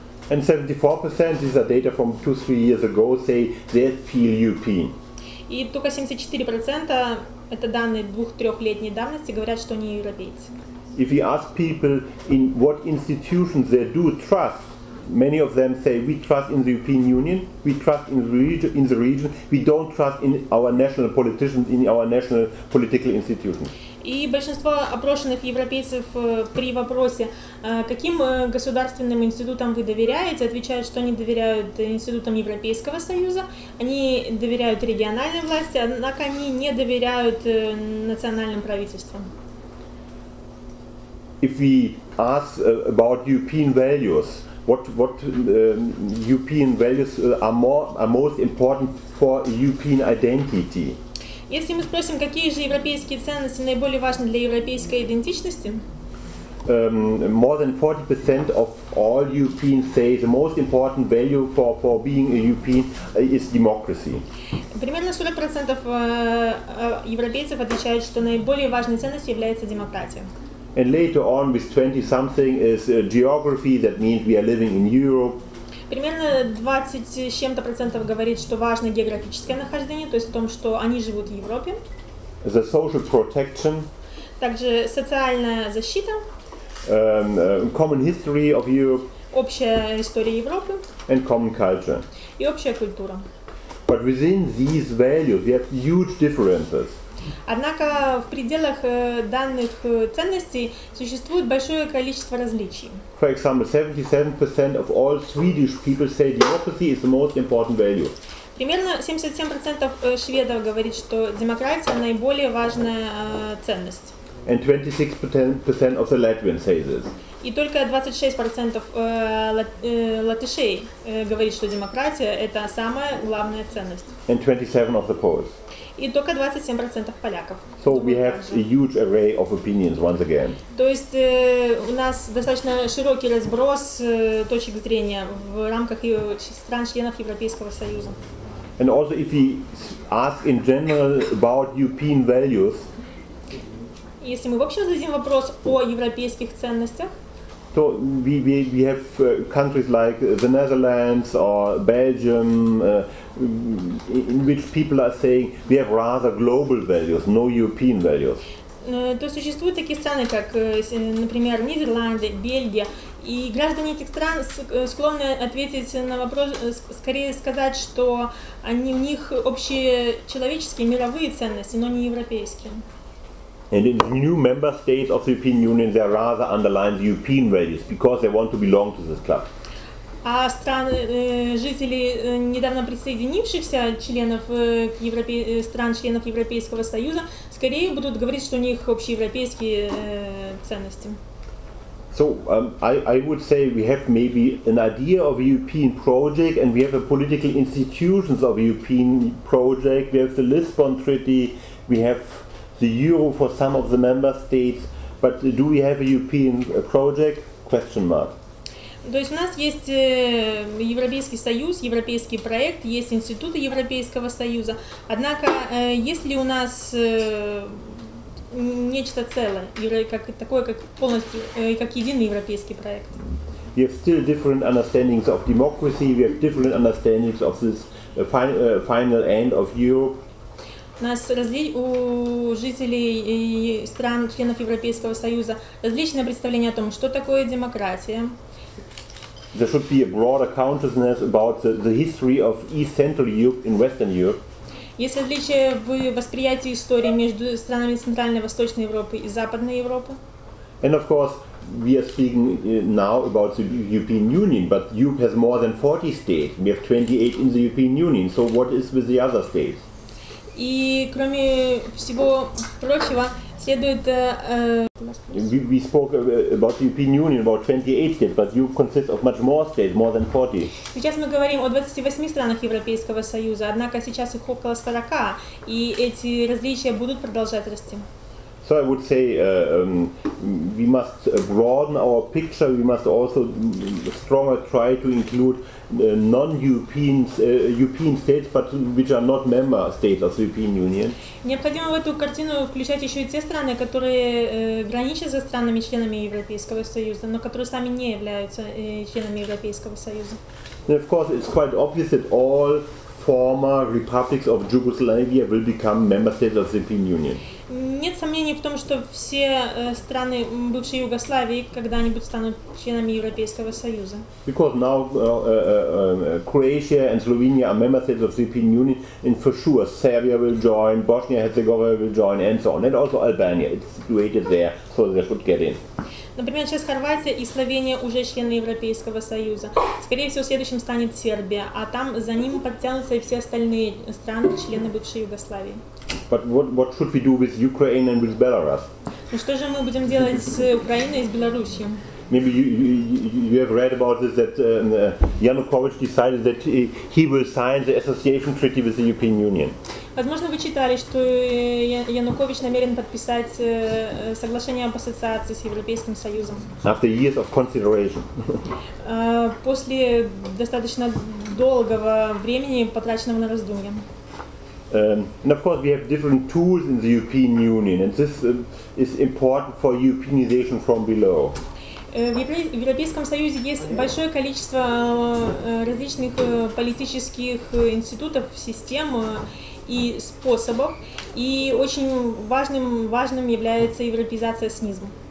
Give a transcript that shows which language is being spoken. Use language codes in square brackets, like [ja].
[en] And 74% these are data from 2-3 years ago say they feel European. [ru] И только 74% это данные 2-3-летней давности говорят, что они европейцы. [en] If you ask people in what institutions they do trust, many of them say we trust in the European Union, we trust in the region, we don't trust in our national politicians, in our national political institutions. [ru] И большинство опрошенных европейцев при вопросе, каким государственным институтам вы доверяете, отвечают, что они доверяют институтам Европейского Союза, они доверяют региональной власти, однако они не доверяют национальным правительствам. [en] If we ask about European values, European values are most important for European identity? [ru] Если мы спросим, какие же европейские ценности наиболее важны для европейской идентичности? [en] More than 40% of all Europeans say the most important value for being a European is democracy. [ru] Примерно 40% европейцев отвечают, что наиболее важной ценностью является демократия. [en] And later on with 20-something is geography, that means we are living in Europe. [ru] Примерно 20 с чем-то процентов говорит, что важно географическое нахождение, то есть в том, что они живут в Европе. [en] The social protection. [ru] Также социальная защита. [en] Common history of Europe. [ru] Общая история Европы. [en] And common culture. [ru] И общая культура. [en] But within these values we have huge differences. [ru] Однако в пределах данных ценностей существует большое количество различий. [en] For example, 77% of all Swedish people say democracy is the most important value. [ru] Примерно 77% шведов говорит, что демократия наиболее важная ценность. [en] And 26% of the Latvians say this. [ru] И только 26% латышей говорит, что демократия – это самая главная ценность. [en] And 27% of the Poles. [ru] И только 27% поляков. [en] So we have a huge array of opinions once again. [ru] То есть у нас достаточно широкий разброс точек зрения в рамках стран-членов Европейского Союза. [en] And also if we ask in general about European values. [ru] Если мы вообще зададим вопрос о европейских ценностях. [en] So we have countries like the Netherlands or Belgium in which people are saying we have rather global values, no European values. [ru] То существуют такие страны, как, например, Нидерланды, Бельгия, и граждане этих стран склонны ответить на вопрос, скорее сказать, что они у них общие человеческие, мировые ценности, но не европейские. [en] And in the new member states of the European Union, they rather underline the European values because they want to belong to this club. [ru] А страны, жители недавно присоединившихся членов стран-членов Европейского Союза, скорее будут говорить, что у них общеевропейские ценности. [en] So I would say we have maybe an idea of a European project, and we have the political institutions of a European project. We have the Lisbon Treaty. We have the euro for some of the member states, but do we have a European project? Question mark. [ru] То есть у нас есть Европейский Союз, европейский проект, есть институты Европейского Союза. Однако есть ли у нас нечто целое, как такое, как полностью, как единый европейский проект? [en] We have still different understandings of democracy. We have different understandings of this final end of Europe. [ru] У нас у жителей и стран, членов Европейского Союза, различное представление о том, что такое демократия. [en] There should be a broader consciousness about the history of East Central Europe in Western Europe. [ru] Есть различия в восприятии истории между странами Центральной и Восточной Европы и Западной Европы. [en] And of course, we are speaking now about the European Union, but Europe has more than 40 states. We have 28 in the European Union. So what is with the other states? [ru] И кроме всего прочего, следует [en] We spoke about the European Union, about 28 states, but Europe consists of much more states, more than 40. [ru] Сейчас мы говорим о 28 странах Европейского Союза, однако сейчас их около 40, и эти различия будут продолжать расти. [en] So I would say we must broaden our picture, we must also stronger try to include non-European states, but which are not member states of the European Union. [ru] Необходимо в эту картину включать еще и те страны, которые граничат со странами-членами Европейского Союза, но которые сами не являются членами Европейского Союза. [en] And of course, it's quite obvious that all former republics of Yugoslavia will become member states of the European Union. [ru] Нет сомнений в том, что все страны бывшей Югославии когда-нибудь станут членами Европейского Союза. [en] Because now Croatia and Slovenia are member states of the European Union, and for sure Serbia will join, Bosnia Herzegovina will join, and so on, and also Albania. It's situated there, so they should get in. [ru] Например, сейчас Хорватия и Словения уже члены Европейского Союза. Скорее всего, следующим станет Сербия, а там за ним подтянутся и все остальные страны, члены бывшей Югославии. [en] But what should we do with Ukraine and with Belarus? [ru] Ну что же мы будем делать с Украиной и с Белоруссией? [en] Maybe you have read about this, that Yanukovych decided that he will sign the association treaty with the European Union. [ru] Возможно, вы читали, что Янукович намерен подписать соглашение об ассоциации с Европейским Союзом. [en] After years of consideration. [ru] После достаточно долгого времени, потраченного на раздумья. [en] And of course, we have different tools in the European Union, and this is important for Europeanization from below. [ru] В Европейском Союзе есть большое количество различных политических институтов, систем и способов, и очень важным является европеизация снизу.